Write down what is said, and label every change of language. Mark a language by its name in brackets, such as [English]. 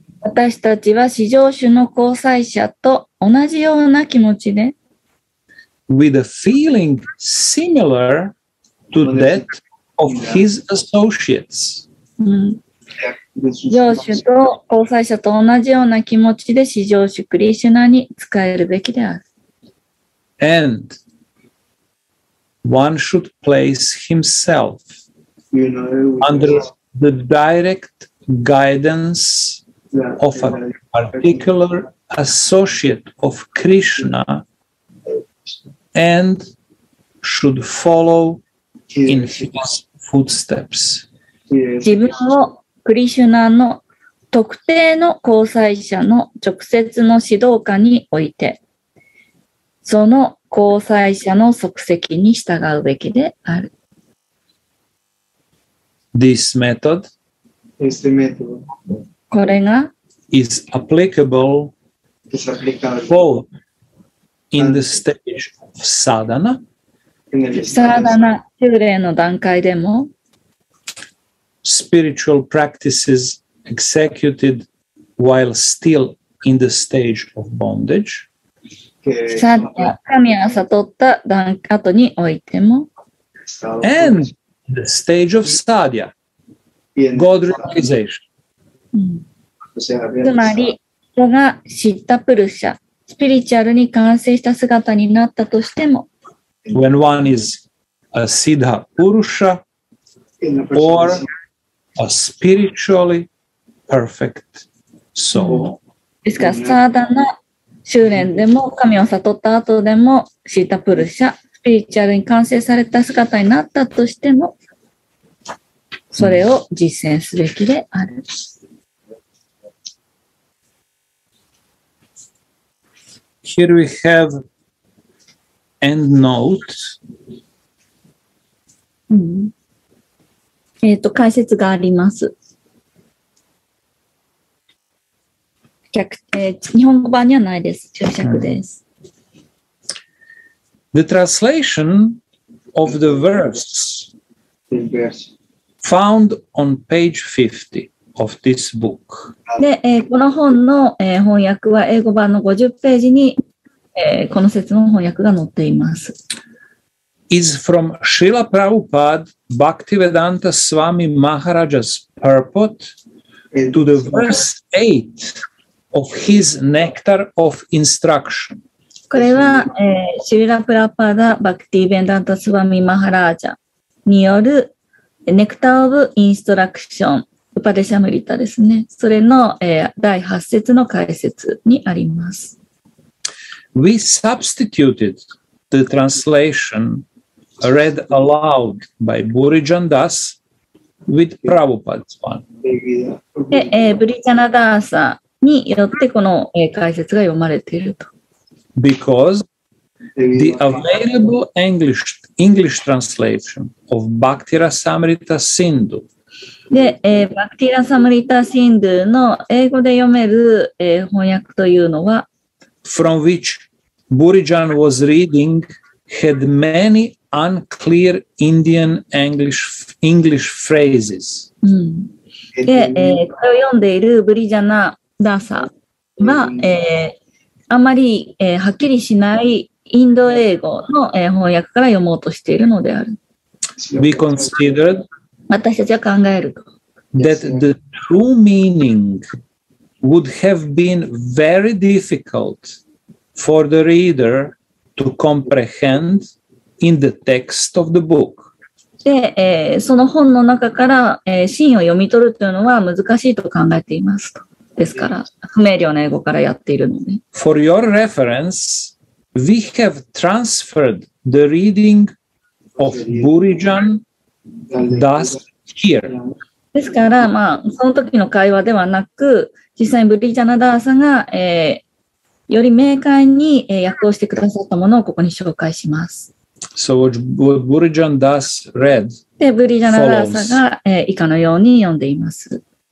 [Japanese] 私たちは至上主の交際者と同じような気持ちで [English] With a feeling similar to that of his associates. [Japanese] 上主と交際者と同じような気持ちで至上主クリシュナに仕えるべきである。 [English] And one should place himself under the direct guidance of a particular associate of Krishna. And should follow in his footsteps. [Japanese] 自分をクリシュナの特定の交際者の直接の指導下に置いて、その交際者の足跡に従うべきである。 [English] This method, [Japanese] これが [English] is applicable both in the stage. サダナ、 [Japanese] サダナ修練の段階でも、 [English] spiritual practices executed while still in the stage of bondage、 [Japanese] サダナ神は悟った段後においても、 [English] and the stage of sadhya、God realization、 [Japanese] つまり人が知ったプルシャ。スピリチュアルに完成した姿になったとしても、 [English] When one is a Siddha Purusha or a spiritually perfect soul. [Japanese] ですから、サーダナ修練でも、神を悟った後でも、シータプルシャ、スピリチュアルに完成された姿になったとしても、それを実践すべきである。 [English] Here we have end note. [Japanese] うん。解説があります。日本語版にはないです。注釈です。 [English] The translation of the verse found on page 50 of this book. [Japanese] で、この本の、翻訳は英語版の50ページに、この説の翻訳が載っています。 [English] Is from Srila Prabhupada Bhaktivedanta Swami Maharaja's purport to the verse 8. Of his nectar of instruction. [Japanese] これは、シリラ・プラパダ・バクティ・ベンダント・スワミ・マハラージャによるネクター・オブ・インストラクション、ウパデシャムリタですね。それの、第8節の解説にあります。 [English] We substituted the translation read aloud by Burijan Das with Prabhupada's one. [Japanese] ブリジャナダーサーによってこの解説が読まれていると。 [English] Because the available English translation of Bhakti Rasamrita Sindhu. [Japanese] で、Bhakti Rasamrita Sindhu の英語で読める、翻訳というのは、 [English] from which Burijan was reading had many unclear Indian English phrases.、 [Japanese] うん、で、これを読んでいるブリジャナダーサは、あまり、はっきりしないインド英語の、翻訳から読もうとしているのである。 [English] We considered [Japanese] 私たちは考えると。 [English] That the true meaning would have been very difficult for the reader to comprehend in the text of the book. [Japanese] で、その本の中から、真を読み取るというのは難しいと考えていますと。ですから不明瞭な英語からやっているのね。 [English] For your reference, we have transferred the reading of Burijan Das here. [Japanese] ですから、まあ、その時の会話ではなく、実際にブリジャナダーサが、より明快に、訳をしてくださったものをここに紹介します。 [English] So what Burijan Das read [Japanese] で、ブリジャナダーサが、以下のように読んでいます。